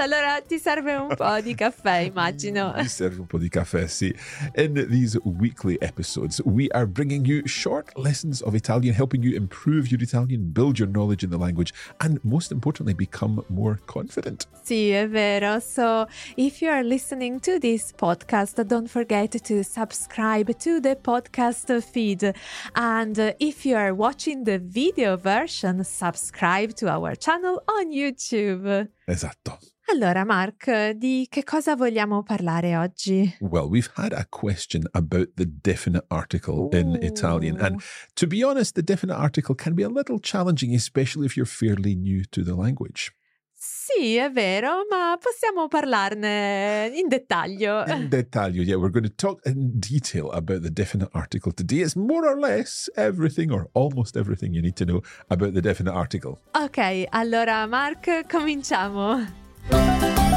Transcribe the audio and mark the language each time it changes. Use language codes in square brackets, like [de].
[it] Allora ti serve un po' di caffè, immagino. Mi serve un po' di caffè, sì. [en] In these weekly episodes, we are bringing you short lessons of Italian, helping you improve your Italian, build your knowledge in the language, and most importantly, become more confident. [it] Sì, è vero. [en] So, if you are listening to this podcast, don't forget to subscribe to the podcast feed. And if you are watching the video version, subscribe to our channel on YouTube. [it] Esatto. Allora, Mark, di che cosa vogliamo parlare oggi? [en] Well, we've had a question about the definite article in Italian. And to be honest, the definite article can be a little challenging, especially if you're fairly new to the language. [it] Sì, è vero, ma possiamo parlarne in dettaglio. In dettaglio, yeah. [en] We're going to talk in detail about the definite article today. It's more or less everything or almost everything you need to know about the definite article. [it] Ok, allora Mark, cominciamo.